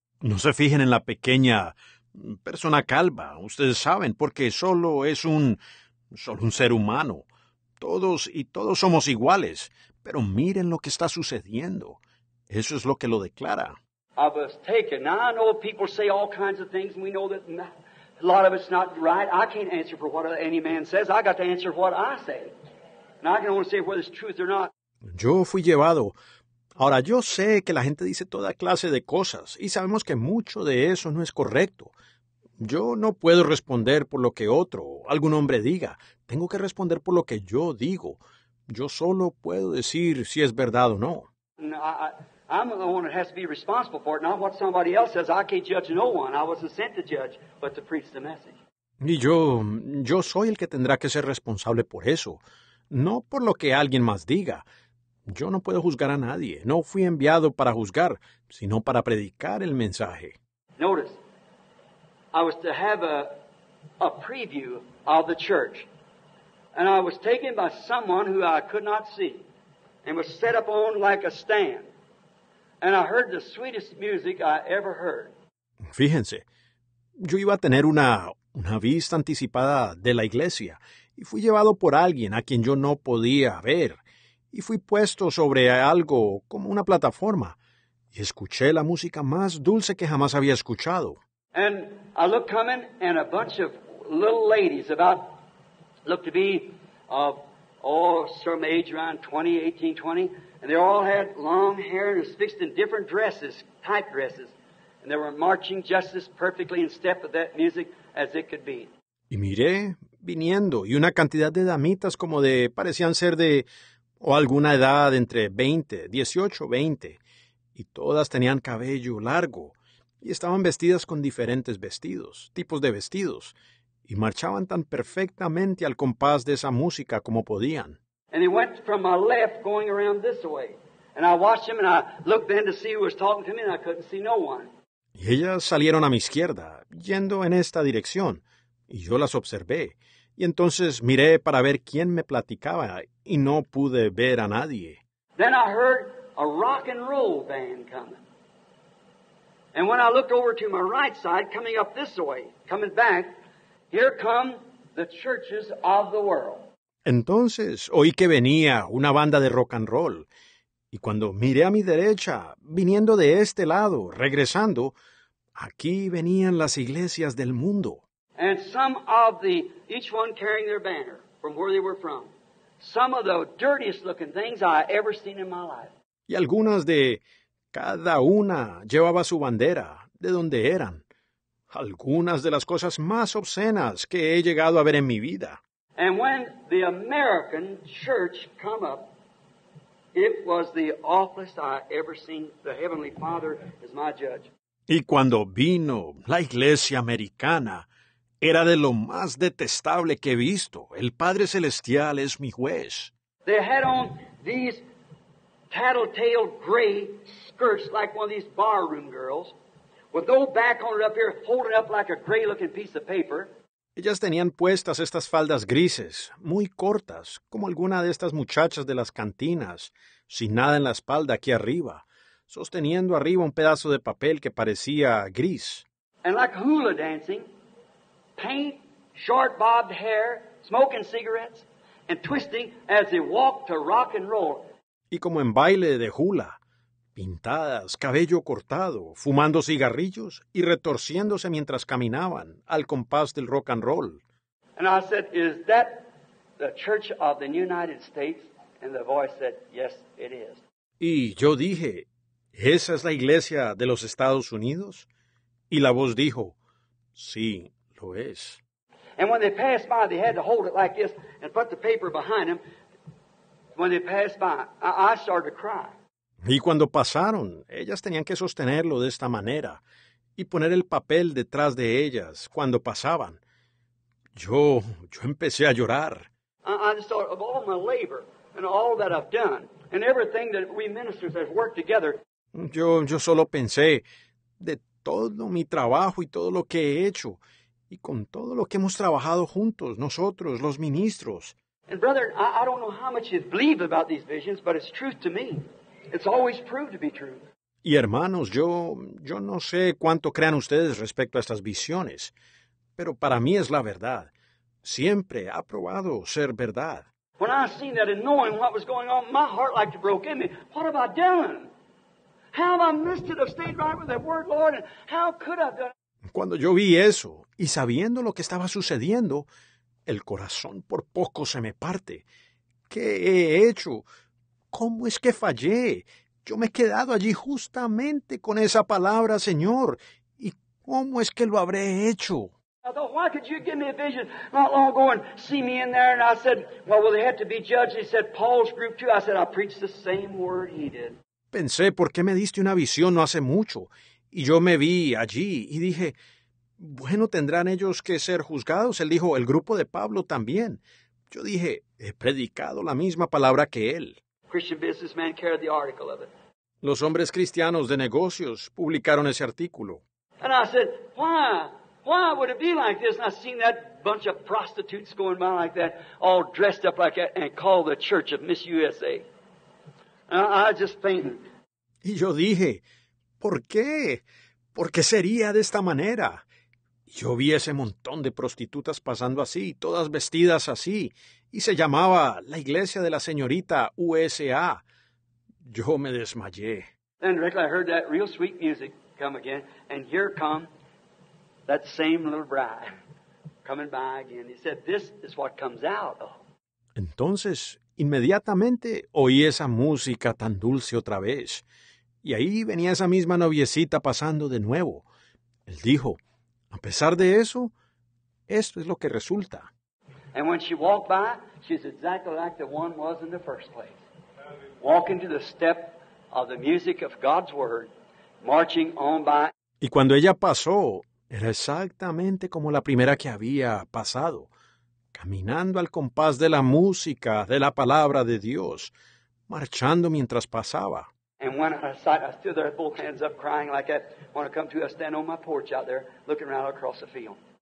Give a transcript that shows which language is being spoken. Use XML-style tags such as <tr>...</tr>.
<es>No se fijen en la pequeña persona calva, ustedes saben, porque solo un ser humano. Todos y todos somos iguales, pero miren lo que está sucediendo. Eso es lo que lo declara.</es> <en>I was taken. Now I know people say all kinds of things, and we know that a lot of it's not right. I can't answer for what any man says. I got to answer what I say. And I can only say whether it's truth or not.</en> <es>Yo fui llevado. Ahora, yo sé que la gente dice toda clase de cosas, y sabemos que mucho de eso no es correcto. Yo no puedo responder por lo que otro, algún hombre diga. Tengo que responder por lo que yo digo. Yo solo puedo decir si es verdad o no.</es> <en>I'm the one that has to be responsible for it, not what somebody else says. I can't judge no one. I wasn't sent to judge, but to preach the message.</en> <es>Y yo soy el que tendrá que ser responsable por eso. No por lo que alguien más diga. Yo no puedo juzgar a nadie. No fui enviado para juzgar, sino para predicar el mensaje.</es> <en>Notice, I was to have a preview of the church. And I was taken by someone who I could not see and was set up on like a stand. And I heard the sweetest music I ever heard.</en> <es>Fíjense, yo iba a tener una vista anticipada de la iglesia y fui llevado por alguien a quien yo no podía ver. Y fui puesto sobre algo como una plataforma. Y escuché la música más dulce que jamás había escuchado.</es> <en>And I looked coming, and a bunch of little ladies about, looked to be of, some age around 20, 18, 20. And they all had long hair and was fixed in different dresses, tight dresses. And they were marching just as perfectly in step with that music as it could be.</en> <es>Y miré viniendo, y una cantidad de damitas como de, parecían ser de, o alguna edad entre 20, 18, 20, y todas tenían cabello largo, y estaban vestidas con diferentes vestidos, tipos de vestidos, y marchaban tan perfectamente al compás de esa música como podían.</es> <en>And they went from my left going around this way. And I watched them, and I looked then to see who was talking to me, and I couldn't see no one.</en> <es>Y ellas salieron a mi izquierda, yendo en esta dirección, y yo las observé. Y entonces miré para ver quién me platicaba y no pude ver a nadie.</es> <en>Then I heard a rock and roll band coming. And when I looked over to my right side, coming up this way, coming back, here come the churches of the world.</en> <es>Entonces oí que venía una banda de rock and roll. Y cuando miré a mi derecha, viniendo de este lado, regresando, aquí venían las iglesias del mundo.</es> <en>And some of the, each one carrying their banner from where they were from. Some of the dirtiest looking things I ever seen in my life.</en> <es>Y algunas de, cada una llevaba su bandera, de donde eran. Algunas de las cosas más obscenas que he llegado a ver en mi vida.</es> <en>And when the American church come up, it was the awfulest I ever seen. The Heavenly Father is my judge.</en> <es>Y cuando vino, la iglesia americana era de lo más detestable que he visto. El Padre Celestial es mi juez.</es> <en>They had on these tattletale gray skirts like one of these barroom girls, with no back on it up here, holding up like a gray-looking piece of paper.</en> <es>Ellas tenían puestas estas faldas grises, muy cortas, como alguna de estas muchachas de las cantinas, sin nada en la espalda aquí arriba, sosteniendo arriba un pedazo de papel que parecía gris.</es> <en>And like hula dancing, paint, short bobbed hair, smoking cigarettes, and twisting as they walked to rock and roll.</en> <es>Y como en baile de hula, pintadas, cabello cortado, fumando cigarrillos y retorciéndose mientras caminaban al compás del rock and roll.</es> <en>And I said, "Is that the Church of the United States?" And the voice said, "Yes, it is."</en> <es>Y yo dije, "¿Esa es la iglesia de los Estados Unidos?" Y la voz dijo, "Sí, lo es."</es> <en>And when they passed by, they had to hold it like this and put the paper behind them. When they passed by, I started to cry.</en> <es>Y cuando pasaron, ellas tenían que sostenerlo de esta manera y poner el papel detrás de ellas cuando pasaban. Yo empecé a llorar.</es> <en>I just thought of all my labor and all that I've done and everything that we ministers have worked together.</en> <es>Yo solo pensé de todo mi trabajo y todo lo que he hecho y con todo lo que hemos trabajado juntos, nosotros, los ministros.</es> <en>And brother, I don't know how much you believe about these visions, but it's truth to me. It's always proved to be true.</en> <es>Y hermanos, yo no sé cuánto crean ustedes respecto a estas visiones, pero para mí es la verdad. Siempre ha probado ser verdad.</es> <en>When I seen that and knowing what was going on, my heart like to broke in me. What have I done? How have I missed it? I've stayed right with that word, Lord, and how could I have done it?</en> <es>Cuando yo vi eso, y sabiendo lo que estaba sucediendo, el corazón por poco se me parte. ¿Qué he hecho? ¿Cómo es que fallé? Yo me he quedado allí justamente con esa palabra, Señor. ¿Y cómo es que lo habré hecho?</es> <en>Why could you give me a vision not long ago and see me in there? And I said, well, will they have to be judged? He said, Paul's group too. I said, I preached the same word he did.</en> <es>Pensé, ¿por qué me diste una visión no hace mucho? Y yo me vi allí y dije, bueno, tendrán ellos que ser juzgados. Él dijo, el grupo de Pablo también. Yo dije, he predicado la misma palabra que él.</es> <en>Christian businessman carried the article of it.</en> <es>Los hombres cristianos de negocios publicaron ese artículo.</es> <en>And I said, why? Why would it be like this? And I seen that bunch of prostitutes going by like that, all dressed up like that, and called the Church of Miss USA. And I just fainted.</en> <es>Y yo dije, ¿por qué? ¿Por qué sería de esta manera? Yo vi ese montón de prostitutas pasando así, todas vestidas así, y se llamaba la Iglesia de la Señorita USA. Yo me desmayé.</es> <en>And directly I heard that real sweet music come again, and here come that same little bride coming by again. He said, this is what comes out.</en> <es>Entonces, inmediatamente oí esa música tan dulce otra vez, y ahí venía esa misma noviecita pasando de nuevo. Él dijo, a pesar de eso, esto es lo que resulta.</es> <en>And when she walked by, she's exactly like the one was in the first place. Walking to the step of the music of God's word, marching on by.</en> <es>Y cuando ella pasó, era exactamente como la primera que había pasado, caminando al compás de la música de la palabra de Dios, marchando mientras pasaba.</es> <en>And when I sat, I stood there with both hands up crying like that. When I come to, I stand on my porch out there, looking around across the field.</en>